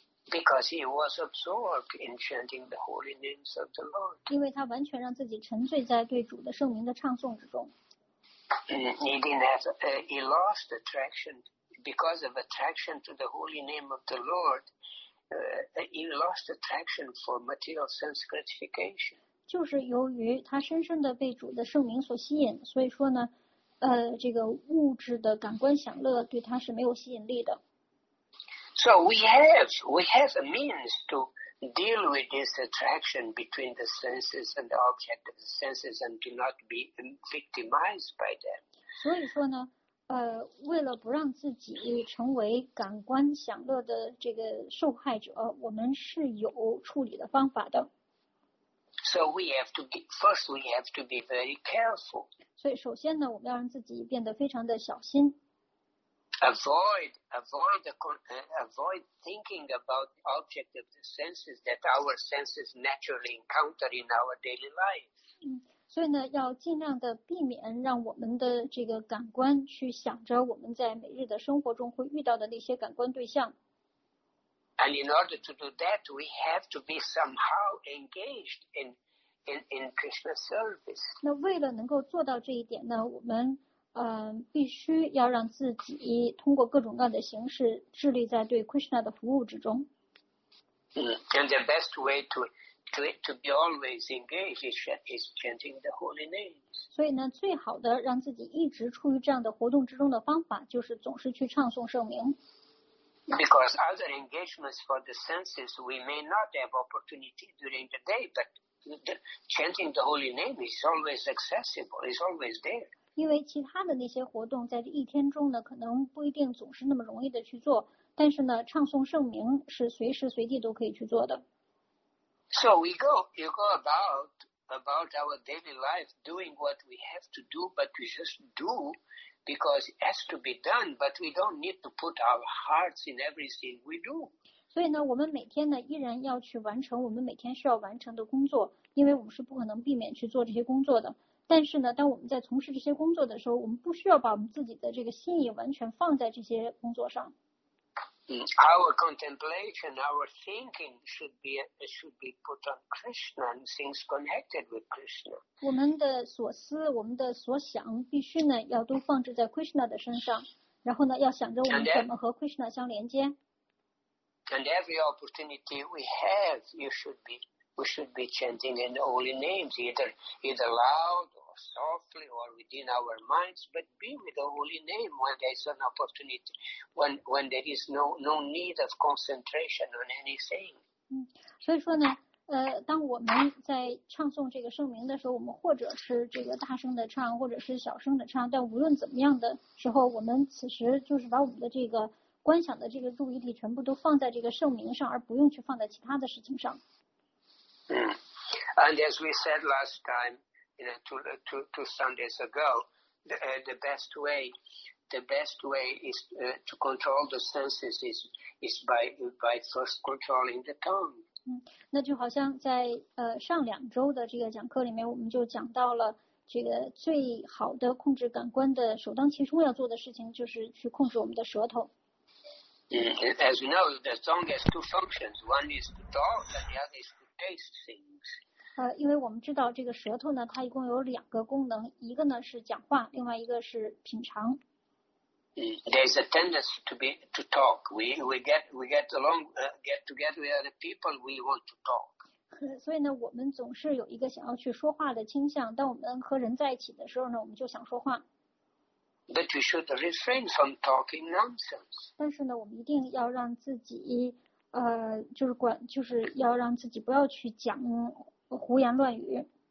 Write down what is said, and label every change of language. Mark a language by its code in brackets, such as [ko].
[en] Because he was absorbed in chanting the holy names of the Lord. [zh] 因为他完全让自己沉醉在对主的圣名的唱诵之中。 [en] He lost attraction because of attraction to the holy name of the Lord. He lost attraction for material sense gratification. [zh] 就是由于他深深的被主的圣名所吸引，所以说呢，这个物质的感官享乐对他是没有吸引力的。 [en] So we have a means to deal with this attraction between the senses and the object of the senses and do not be victimized by them. [zh] 所以说呢，为了不让自己成为感官享乐的这个受害者，我们是有处理的方法的。 [en] So we have to be, first we have to be very careful. [zh] 所以首先呢，我们要让自己变得非常的小心。 [en] Avoid thinking about the object of the senses that our senses naturally encounter in our daily life. [zh] 所以呢，要尽量的避免让我们的这个感官去想着我们在每日的生活中会遇到的那些感官对象。 [en] And in order to do that, we have to be somehow engaged in Krishna service. [zh] 那为了能够做到这一点呢，我们必须要让自己通过各种各样的形式致力在对 Krishna 的服务之中。 [en] And the best way to be always engaged is chanting the holy names. [zh] 所以呢，最好的让自己一直处于这样的活动之中的方法，就是总是去唱诵圣名。 [en] Because other engagements for the senses we may not have opportunity during the day, but chanting the holy name is always accessible. It's always there. [zh] 因为其他的那些活动在这一天中呢，可能不一定总是那么容易的去做，但是呢，唱诵圣名是随时随地都可以去做的。 [en] So we go, you go about our daily life doing what we have to do, but we just do because it has to be done, but we don't need to put our hearts in everything we do. [zh] 所以呢，我们每天呢依然要去完成我们每天需要完成的工作，因为我们是不可能避免去做这些工作的。但是呢，当我们在从事这些工作的时候，我们不需要把我们自己的这个心意完全放在这些工作上。 [en] Our contemplation, our thinking should be put on Krishna and things connected with Krishna. [zh] 我们的所思，我们的所想，必须呢要都放置在 Krishna 的身上，然后呢要想着我们怎么和 Krishna 相连接。 [en] And every opportunity we have, we should be chanting in the holy names, either loud or softly or within our minds, but be with the holy name when there is an opportunity, when there is no need of concentration on anything. [zh] 所以说呢，当我们在唱诵这个圣名的时候，我们或者是这个大声的唱，或者是小声的唱，但无论怎么样的时候，我们此时就是把我们的这个观想的这个注意力全部都放在这个圣名上，而不用去放在其他的事情上。 [en] And as we said last time, you know, two Sundays ago, the best way is to control the senses is by first controlling the tongue. [zh] 那就好像在上两周的这个讲课里面，我们就讲到了这个最好的控制感官的首当其冲要做的事情，就是去控制我们的舌头。 [en] As we know, the tongue has two functions. One is to talk, and the other is to taste things. [zh] 因为我们知道这个舌头呢，它一共有两个功能，一个呢是讲话，另外一个是品尝。 [en] there's a tendency to be to talk. We get along, get together with other people. We want to talk. [zh] 所以呢，我们总是有一个想要去说话的倾向。当我们和人在一起的时候呢，我们就想说话。 [en] But you should refrain from talking nonsense. [zh] 但是呢，我们一定要让自己，就是管，就是要让自己不要去讲胡言乱语。